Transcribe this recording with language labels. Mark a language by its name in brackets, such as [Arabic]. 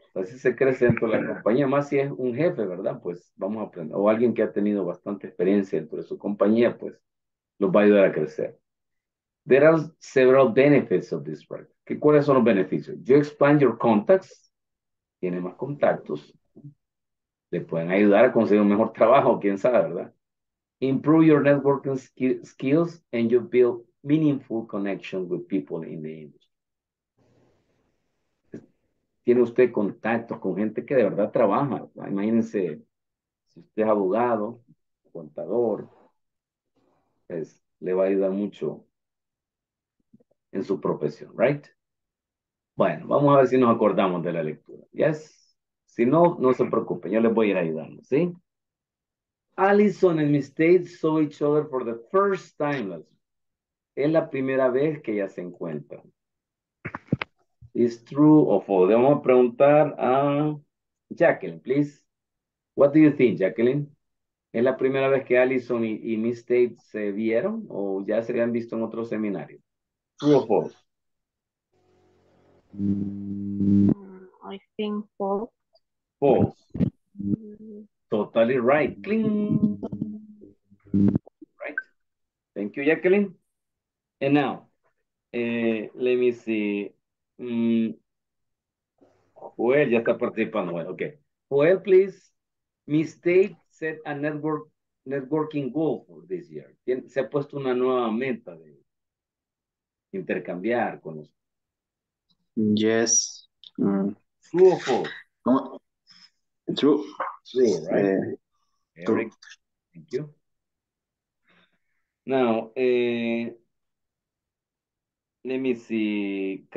[Spanish] Así se crece dentro de la compañía, más si es un jefe, ¿verdad? Pues vamos a aprender. O alguien que ha tenido bastante experiencia dentro de su compañía, pues los va a ayudar a crecer. [English] There are several benefits of this work. [Spanish] ¿Qué, cuáles son los beneficios? [English] You expand your contacts. [Spanish] Tiene más contactos. Le pueden ayudar a conseguir un mejor trabajo, quién sabe, ¿verdad? [English] Improve your networking skills and you build meaningful connection with people in the industry. [Spanish] Tiene usted contactos con gente que de verdad trabaja, ¿verdad? Imagínense, si usted es abogado, contador, pues, le va a ayudar mucho en su profesión, ¿right? Bueno, vamos a ver si nos acordamos de la lectura. ¿Yes? Si no, no se preocupen, yo les voy a ir ayudando, ¿sí? [English] Allison and Miss Tate saw each other for the first time. [Spanish] Es la primera vez que ellas se encuentran. [English] Is true or false? [Spanish] Debemos preguntar a Jacqueline, please. [English] What do you think, [Spanish] Jacqueline? ¿Es la primera vez que Allison y Miss Tate se vieron o ya se habían visto en otro seminario? [English] True or false? I think false. False. Totally right. Cling. Right. Thank you, Jacqueline. And now, let me see. [Spanish] Joel ya está participando. [English] Well, okay. Joel, please. Miss Tate set a networking goal for this year. [Spanish] Se ha puesto una nueva meta de intercambiar con los. [English] Yes. True or false? True. True, right? Eric, true. Thank you. Now, let me see.